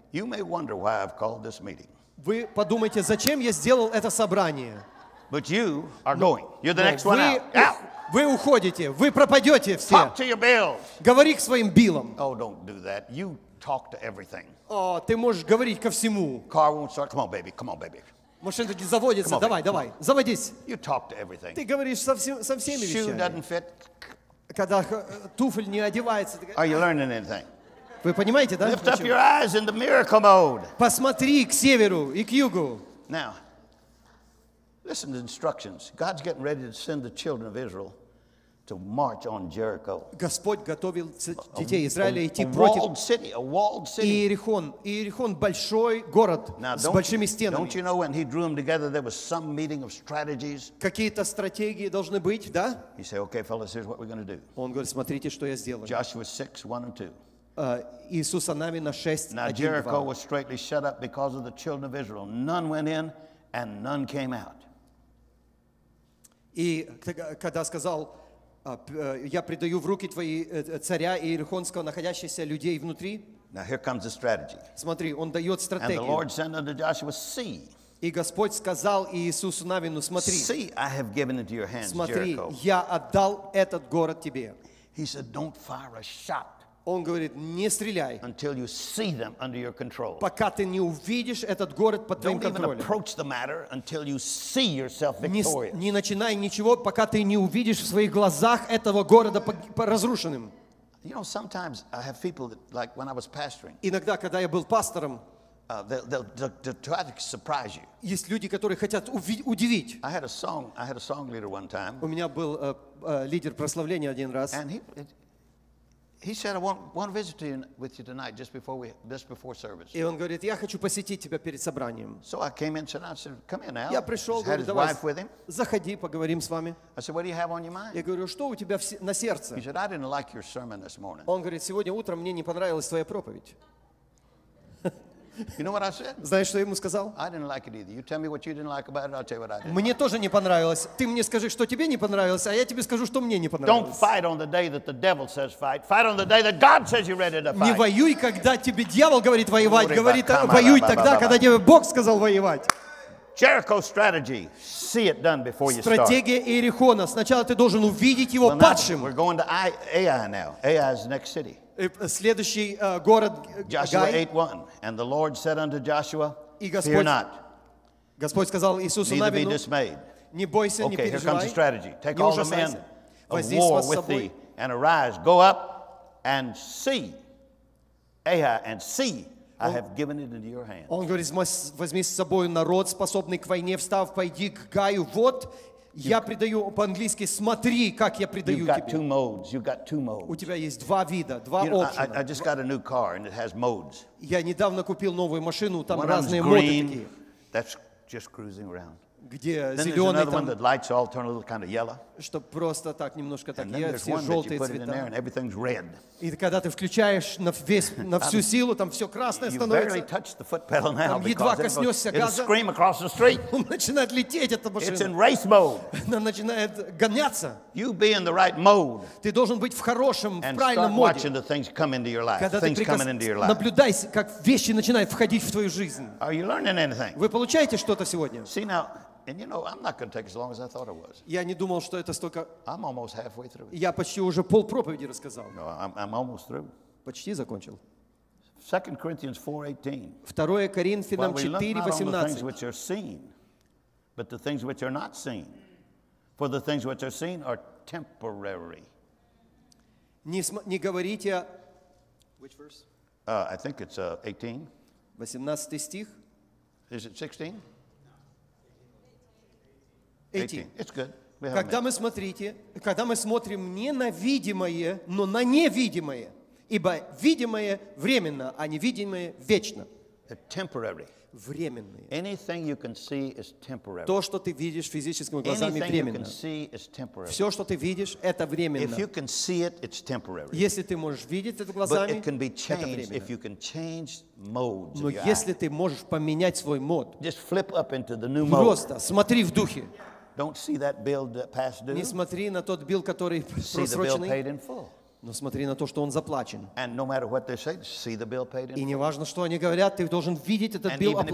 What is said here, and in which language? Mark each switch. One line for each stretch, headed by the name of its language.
English: You may wonder why I've called this meeting.
Russian: Вы подумайте, зачем я сделал это собрание.
English: But you are going. You're the next one out.
Russian: Вы уходите, вы пропадете все.
English: Talk to your bills.
Russian: Говори к своим биллам.
English: Oh, don't do that. You talk to everything.
Russian: Ты можешь говорить ко всему.
English: Car won't start. Come on, baby.
Russian: Машина не заводится. Давай. Заводись.
English: You talk to everything.
Russian: Ты говоришь со всеми вещами.
English: Shoe doesn't fit.
Russian: Когда туфель не одевается.
English: Are you learning anything?
Russian: Вы понимаете, да?
English: Lift up your eyes in the miracle mode.
Russian: Посмотри к северу и к югу.
English: Now, listen to instructions. God's getting ready to send the children of Israel to march on Jericho.
Russian: Господь готовил детей Израиля идти против Иерихон. Иерихон большой город с большими стенами.
English: Don't you know when he drew them together, there was some meeting of strategies?
Russian: Какие-то стратегии должны быть, да?
English: He said, "Okay, fellas, here's what we're going to do."
Russian: Он говорит, смотрите, что я сделаю.
English: Joshua 6, 1 and 2.
Russian: Иисуса Навина 6, 1
English: and 2. Now Jericho was straightly shut up because of the children of Israel. None went in and none came out.
Russian: И когда сказал Я предаю в руки твои царя Иерихонского, находящихся людей внутри.
English: Now here comes the strategy.
Russian: Смотри, он дает стратегию.
English: And the Lord said unto Joshua, See.
Russian: И Господь сказал Иисусу Навину, смотри.
English: See, I have given into your hands,
Russian: смотри,
English: Jericho.
Russian: Смотри, я отдал этот город тебе.
English: He said, Don't fire a shot.
Russian: Он говорит, не стреляй.
English: Until you see them under your control.
Russian: Пока ты не увидишь этот город под твоим контролем.
English: Don't even approach the matter until you see yourself victorious.
Russian: Не начинай ничего, пока ты не увидишь в своих глазах этого города разрушенным.
English: You know, sometimes I have people that, like when I was pastoring.
Russian: Иногда, когда я был пастором,
English: they'll try to surprise you.
Russian: Есть люди, которые хотят удивить.
English: I had a song leader one time.
Russian: У меня был лидер прославления один раз.
English: And he said, I want to visit with you tonight, just before service.
Russian: И он говорит, я хочу посетить тебя перед собранием.
English: So I came in and I said, come in, Al.
Russian: Я пришел,
English: had his wife with him.
Russian: Заходи, поговорим с вами.
English: I said, what do you have on your mind?
Russian: Я говорю, что у тебя на сердце?
English: He said, I didn't like your sermon this morning.
Russian: Он говорит, сегодня утром мне не понравилась твоя проповедь.
English: You know what I said?
Russian: Знаешь, что я ему сказал?
English: I didn't like it either. You tell me what you didn't like about it, I'll tell you what I didn't.
Russian: Мне тоже не понравилось. Ты мне скажи, что тебе не понравилось, а я тебе скажу, что мне не понравилось.
English: Don't fight on the day that the devil says fight. Fight on the day that God says you're ready to fight.
Russian: Не воюй, когда тебе дьявол говорит воевать, говорит, воюй тогда, когда тебе Бог сказал воевать.
English: Jericho strategy. See it done before you start.
Russian: Стратегия Иерихона. Сначала ты должен увидеть его падшим.
English: We're going to Ai now. Ai is the next city.
Russian: Следующий город
English: Joshua 8:1 And the Lord said unto Joshua, Fear not.
Russian: Господь сказал Иисусу Навину,
English: Neither be dismayed.
Russian: Не бойся, не переживай.
English: here comes the strategy. Take all the men of war with thee, and arise, go up, and see, Ai, and see, I have given it into your hands.
Russian: Он говорит, возьми с собой народ, способный к войне, встав, пойди к Гаю, вот. Я предаю по-английски. Смотри, как я предаю тебе.
English: You've got two modes.
Russian: У тебя есть два вида, два опции.
English: I just got a new car and it has modes.
Russian: Я недавно купил новую машину, там
English: one
Russian: разные
English: green,
Russian: моды такие.
English: That's just cruising around.
Russian: Где
English: then
Russian: зеленый
English: there's another
Russian: там,
English: one that lights all turn a little kind of yellow.
Russian: Чтобы просто так немножко так ярко все желтые цвета.
English: There, and everything's red.
Russian: И когда ты включаешь на всю силу, там все красное становится.
English: You barely touch the foot pedal now.
Russian: Там едва коснешься газа.
English: It'll scream across the street.
Russian: Он начинает лететь эта машина.
English: It's in race mode.
Russian: Она начинает гоняться.
English: You be in the right mode.
Russian: Ты должен быть в хорошем,
English: and
Russian: в правильном моде.
English: And start watching the things come into your life.
Russian: Когда
English: things coming into your life.
Russian: Наблюдай, как вещи начинают входить в твою жизнь.
English: Are you learning anything?
Russian: Вы получаете что-то сегодня?
English: See now. And you know, I'm not going to take as long as I thought it was.
Russian: Я не думал, что это столько.
English: I'm almost halfway through.
Russian: Я почти уже пол проповеди рассказал.
English: No, I'm almost through.
Russian: Почти закончил.
English: 2 Corinthians
Russian: 4:18. 2 Коринфянам 4:18.
English: The things which are seen, but the things which are not seen, for the things which are seen are temporary.
Russian: Не говорите.
English: Which verse? I think it's 18.
Russian: 18 стих.
English: Is it 16? 18. It's good.
Russian: Когда мы смотрите, когда мы смотрим не на видимое, но на невидимое, ибо видимое временно, а невидимое вечно.
English: Temporary.
Russian: Временные.
English: Anything you can see is temporary.
Russian: То, что ты видишь физическими глазами, временно.
English: Anything you can see is temporary.
Russian: Все, что ты видишь, это временно.
English: If you can see it, it's temporary.
Russian: Если ты можешь видеть это глазами,
English: but it can be changed if you can change modes.
Russian: Но если ты можешь поменять свой мод,
English: just flip up into the new
Russian: mode. Просто смотри в духе.
English: Don't see that bill that passed due.
Russian: Не смотри на тот билл, который просроченный.
English: See the bill paid in full.
Russian: Но смотри на то, что он заплачен.
English: And no matter what they say, see the bill paid in full.
Russian: И неважно, что они говорят, ты должен видеть этот билл оплачен.